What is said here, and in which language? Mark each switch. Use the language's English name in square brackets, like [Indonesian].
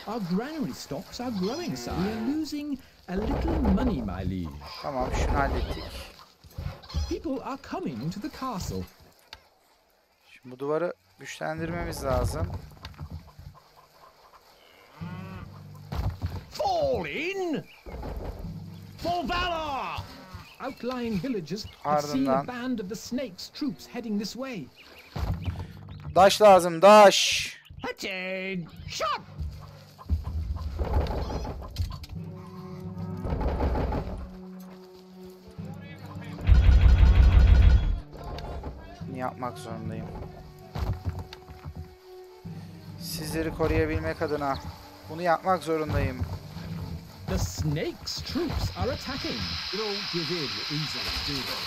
[English] Our granary stocks are growing, sir. We are losing a little money, my liege. [Turkish] Tamam, şunu hallettik. [English] People are coming to the castle. [Turkish] Şimdi bu duvarı güçlendirmemiz lazım. [English] Fall in! For valor! Outlying villages have seen a band of the snake's troops heading this way. [Turkish] Daş lazım, daş! Hatin! Shot! Yapmak zorundayım. Sizleri koruyabilmek adına bunu yapmak zorundayım. [English] The snake's troops are attacking. Don't give in easily, do they?